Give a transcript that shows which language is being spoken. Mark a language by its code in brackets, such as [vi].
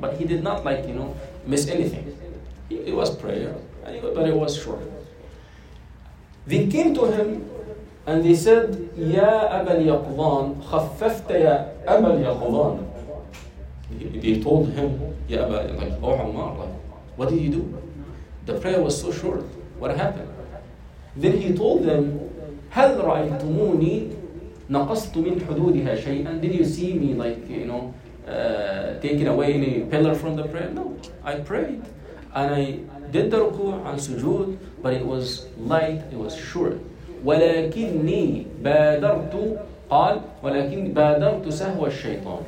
[en] But he did not, like, you know, miss anything. It was prayer, but it was short. They came to him, and they said, [ar] Ya Abal Yaqdan, khaffafta ya Abal Yaqdan. [en] They told him, Ya Abal, like, oh Ammar, like, what did you do? The prayer was so short. What happened? Then he told them, [ar] هَلْ رَأَيْتُمُونِي نَقَصْتُ مِنْ حُدُودِهَا شَيْئًا. [en] Did you see me, like, you know, taking away any pillar from the prayer? No, I prayed. And I did the ruku' and sujood, but it was light, it was short. [ar] وَلَكِنِّي بَادَرْتُ قَالْ وَلَكِنِّي بَادَرْتُ سَهْوَ الشَّيْطَانِ.